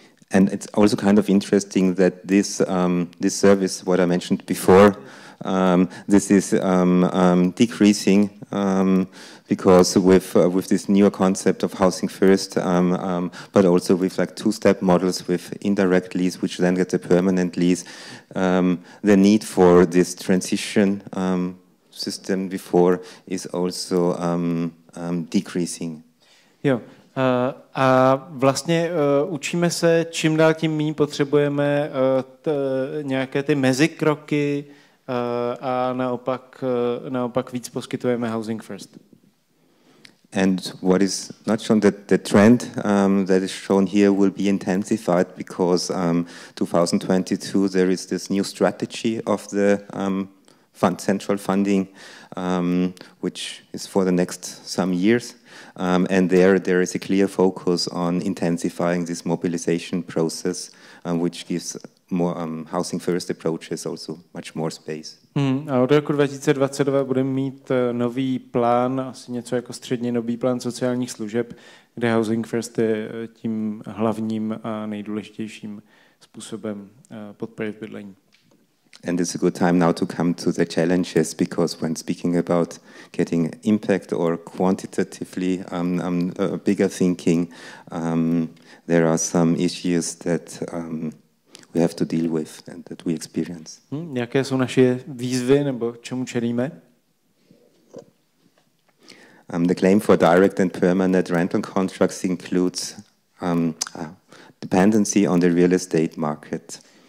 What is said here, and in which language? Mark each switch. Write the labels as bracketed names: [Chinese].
[English] And it's also kind of interesting that this service, what I mentioned before, this is decreasing because with this newer concept of housing first, but also with like two-step models with indirect lease, which then gets a permanent lease, the need for this transition system before is also decreasing. Yeah. [Czech] A vlastně učíme se, čím dál tím méně potřebujeme nějaké ty mezikroky a naopak víc poskytujeme housing first. [English] And what is not shown that the trend that is shown here will be intensified because 2022 there is this new strategy of the fund central funding which is for the next some years. And there is a clear focus on intensifying this mobilization process, which gives more housing first approaches also much more space. [Czech] A od roku 2022 budeme mít nový plán, asi něco jako středně nový plán sociálních služeb, kde housing first je tím hlavním a nejdůležitějším způsobem podpory v bydlení. [English] And it's a good time now to come to the challenges because when speaking about getting impact or quantitatively bigger thinking, there are some issues that we have to deal with and that we experience. [Czech] Jaké jsou naše výzvy nebo čemu čelíme? [English] The claim for direct and permanent rental contracts includes dependency on the real estate market.